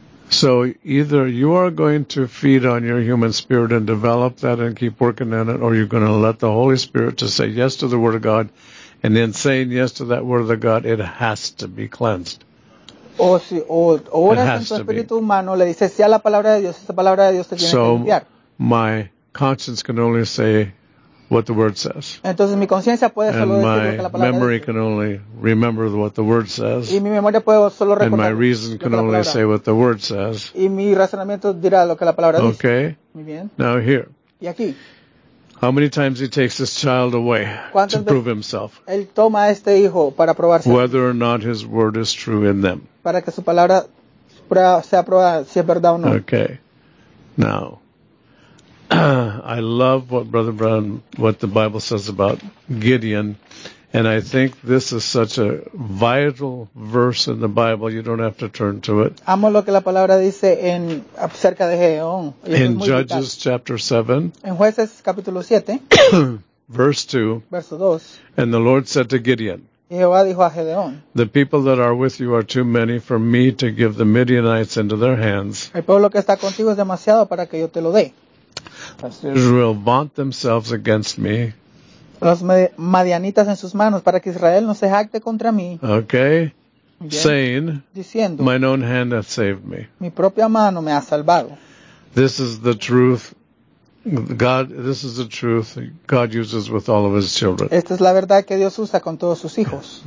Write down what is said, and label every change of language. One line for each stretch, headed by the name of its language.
English: So either you are going to feed on your human spirit and develop that and keep working on it, or you're going to let the Holy Spirit to say yes to the Word of God, and in saying yes to that Word of God, it has to be cleansed.
Spanish: O si oras en tu espíritu humano, le dices sí a la palabra de Dios, esa palabra de Dios te tiene
English: so
Spanish: que limpiar.
English: My conscience can only say what the Word says.
Spanish: Entonces mi conciencia puede solo
English: and my
Spanish: lo que la palabra
English: memory
Spanish: dice.
English: Can only remember what the Word says.
Spanish: Y mi memoria puede solo recordar lo que la
English: and my reason can only
Spanish: palabra.
English: Say what the Word says.
Spanish: Y mi razonamiento dirá lo que la palabra
English: okay.
Spanish: dice.
English: Okay.
Spanish: Muy bien.
English: Now here.
Spanish: Y aquí.
English: How many times he takes this child away to prove himself?
Spanish: Él toma a este hijo para probarse.
English: Whether or not his word is true in them.
Spanish: Para que su palabra sea probada si es verdad o no.
English: Okay. Now. I love what Brother Brown, what the Bible says about Gideon. And I think this is such a vital verse in the Bible. You don't have to turn to it.
Spanish: Amo lo que la palabra dice en acerca de Gedeón.
English: In Judges chapter 7.
Spanish: En Jueces capítulo 7.
English: Verse 2.
Spanish: Verso 2.
English: And the Lord said to Gideon.
Spanish: Jehová dijo a Gedeón.
English: The people that are with you are too many for me to give the Midianites into their hands.
Spanish: El pueblo que está contigo es demasiado para que yo te lo dé.
English: Israel vaunt themselves against me.
Spanish: Los madianitas en sus manos para que Israel no se jacte contra mí.
English: Okay.
Spanish: Bien.
English: Saying,
Spanish: diciendo,
English: my own hand hath saved me.
Spanish: Mi propia mano me ha salvado.
English: This is the truth. God, this is the truth God uses with all of his children.
Spanish: Esta es la verdad que Dios usa con todos sus hijos.